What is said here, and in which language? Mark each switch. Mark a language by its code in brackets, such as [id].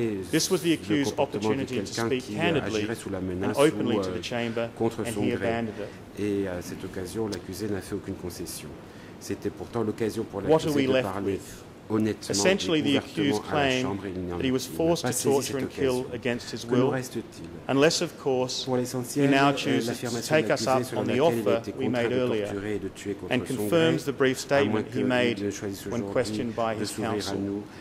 [en] This was the accused's opportunity to speak candidly and openly to the chamber, and he abandoned it. [fr] Et à cette occasion, l'accusé n'a fait aucune concession. C'était pourtant l'occasion pour l'accusé de parler. honnêtement [en] essentially [fr] et [en] the accused claimed that he was forced to torture and kill against his will, unless, of course, he now chooses to take us up on the offer we made earlier and confirms the brief statement he made when questioned by his counsel.